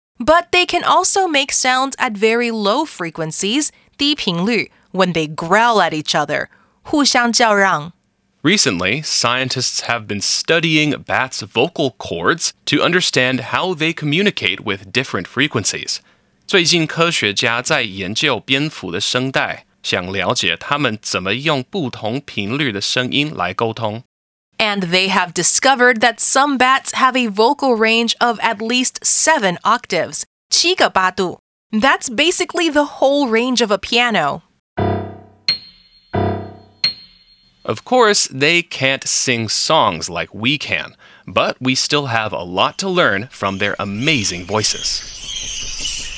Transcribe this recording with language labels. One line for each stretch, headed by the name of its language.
English: But they can also make sounds at very low frequencies, 低频率, when they growl at each other, 互相叫嚷。 Recently, scientists have been studying bats' vocal cords to understand how they communicate with different frequencies.
Chinese: 最近科学家在研究蝙蝠的声带，想了解他们怎么用不同频率的声音来沟通。
English: And they have discovered that some bats have a vocal range of at least 7 octaves, 七个八度。 That's basically the whole range of a piano. Of course, they can't sing songs like we can, but we still have a lot to learn from their amazing voices.